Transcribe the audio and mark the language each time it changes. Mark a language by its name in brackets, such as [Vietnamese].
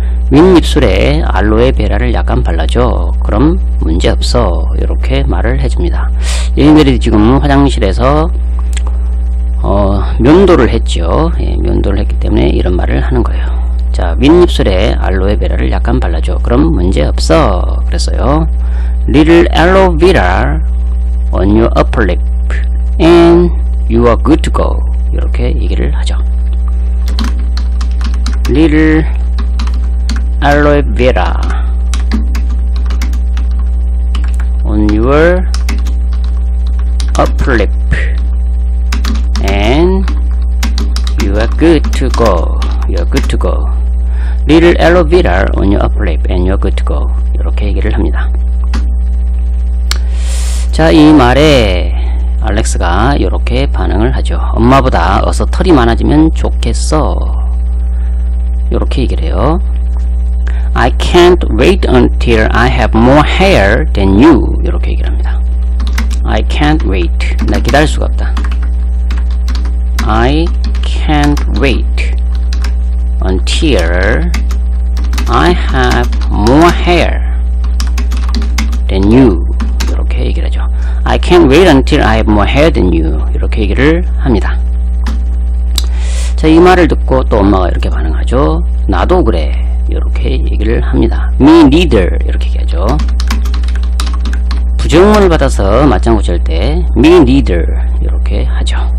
[Korean] 윗입술에 알로에 베라를 약간 발라줘. 그럼 문제없어. 이렇게 말을 해줍니다. 얘네들이 지금 화장실에서 면도를 했죠. 예, 면도를 했기 때문에 이런 말을 하는 거예요. 자, 윗입술에 알로에 베라를 약간 발라줘. 그럼 문제없어. 그랬어요. [English] Little aloe vera on your upper lip and you are good to go. [Korean] 이렇게 얘기를 하죠. [English] Little aloe vera on your upper lip and you are good to go. You are good to go. Little aloe vera on your upper lip and you are good to go. [Korean] 이렇게 얘기를 합니다. 자, 이 말에 알렉스가 이렇게 반응을 하죠. 엄마보다 어서 털이 많아지면 좋겠어. 이렇게 얘기를 해요. [English] I can't wait until I have more hair than you. [Korean] 이렇게 얘기를 합니다. [English] I can't wait. [Korean] 나 기다릴 수가 없다. [English] I can't wait until I have more hair than you. [Korean] 이렇게 얘기를 하죠. [English] I can't wait until I have more hair than you. [Korean] 이렇게 얘기를 합니다. 자, 이 말을 듣고 또 엄마가 이렇게 반응하죠. 나도 그래. 이렇게 얘기를 합니다. [English] Me neither. [Korean] 이렇게 얘기하죠. 부정문을 받아서 맞장구 칠 때 [English] Me neither. [Korean] 이렇게 하죠.